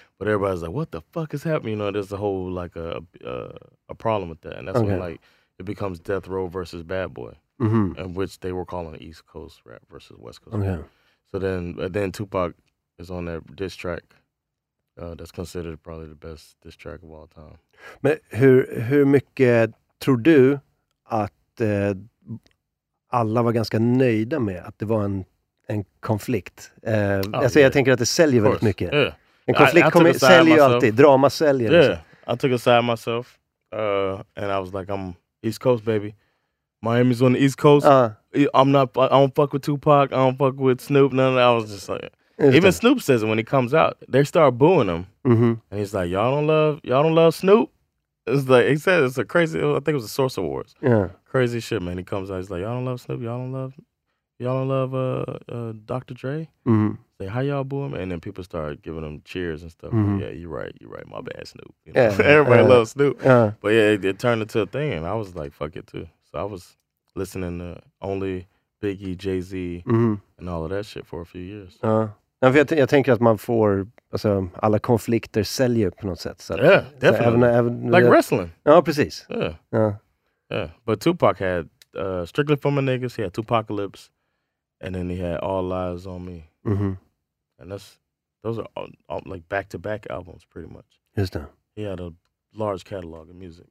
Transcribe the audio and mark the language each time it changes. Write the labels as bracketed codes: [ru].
[en] But everybody's like, what the fuck is happening? You know, there's a whole, like, a problem with that. And that's okay. When, like, it becomes Death Row versus Bad Boy. Mm-hmm. In which they were calling it East Coast rap versus West Coast okay. rap. So then Tupac is on that diss track. That's considered probably the best diss track of all time. [sv] Men hur mycket tror du att alla var ganska nöjda med att det var en konflikt? Jag tänker att det säljer väldigt mycket. [en] Yeah. [sv] En konflikt säljer ju alltid. Drama säljer. [en] Yeah. I took a side myself. And I was like, I'm East Coast, baby. Miami's on the East Coast. I don't fuck with Tupac. I don't fuck with Snoop. None of that. I was just like, even Snoop says it when he comes out. They start booing him. Mm-hmm. And he's like, y'all don't love Snoop? It's like, he said it's a crazy, I think it was the Source Awards. Yeah. Crazy shit, man. He comes out, he's like, y'all don't love Snoop? Y'all don't love Dr. Dre? Mm-hmm. Say, how y'all boo him? And then people start giving him cheers and stuff. Mm-hmm. Yeah, you're right. My bad, Snoop. You know? Yeah. Everybody loves Snoop. Yeah. But yeah, it turned into a thing. And I was like, fuck it, too. So I was listening to only Biggie, Jay-Z, mm-hmm. and all of that shit for a few years. [sv] Jag tänker att man får, alltså, alla konflikter säljer på något sätt. Så [en] yeah, [sv] att, [en] definitely. [sv] Så även, [en] like wrestling. [sv] Ja, precis. [en] Yeah. Yeah. Yeah. But Tupac had Strictly for My Niggas, he had Tupacalypse, and then he had All Eyes on Me. Mm-hmm. And those are all like back-to-back albums, pretty much. Just that. He had a large catalog of music.